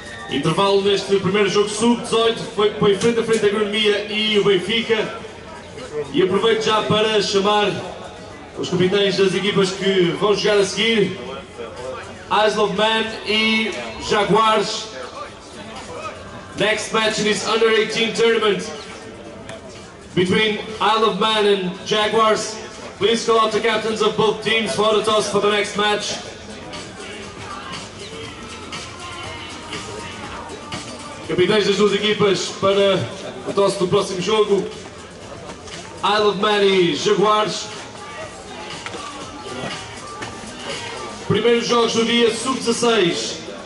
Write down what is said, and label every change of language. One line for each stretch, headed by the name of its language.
Portuguese: Intervalo neste primeiro jogo sub-18, foi frente a frente a Agronomia e o Benfica. E aproveito já para chamar os capitães das equipas que vão jogar a seguir. Isle of Man e Jaguars.
English: Next match in this under-18 tournament between Isle of Man and Jaguars. Please call out the captains of both teams for the toss for the next match.
Portuguese: Capitães das duas equipas para o toss do próximo jogo, Isle of Man e Jaguars. Primeiros jogos do dia, sub-16.